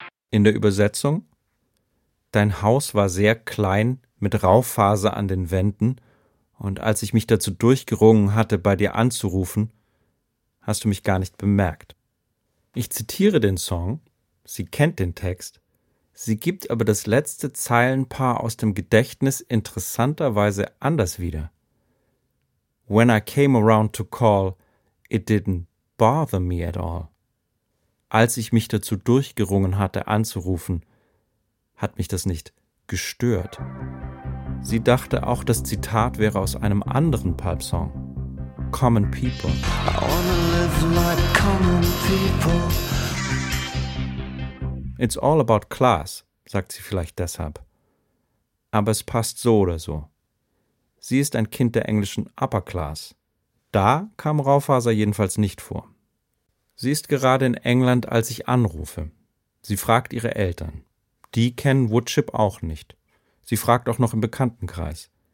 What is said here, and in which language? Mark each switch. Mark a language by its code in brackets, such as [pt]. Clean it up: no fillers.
[de] In der Übersetzung: Dein Haus war sehr klein mit Raufaser an den Wänden, und als ich mich dazu durchgerungen hatte, bei dir anzurufen, hast du mich gar nicht bemerkt. Ich zitiere den Song. Sie kennt den Text, sie gibt aber das letzte Zeilenpaar aus dem Gedächtnis interessanterweise anders wieder. [en] When I came around to call, it didn't bother me at all. [de] Als ich mich dazu durchgerungen hatte, anzurufen, hat mich das nicht gestört. Sie dachte auch, das Zitat wäre aus einem anderen Pulp-Song. [en] Common People. I wanna live like common people. It's all about class, [de] sagt sie vielleicht deshalb. Aber es passt so oder so. Sie ist ein Kind der englischen Upper Class. Da kam Raufaser jedenfalls nicht vor. Sie ist gerade in England, als ich anrufe. Sie fragt ihre Eltern. Die kennen Woodchip auch nicht. Sie fragt auch noch im Bekanntenkreis.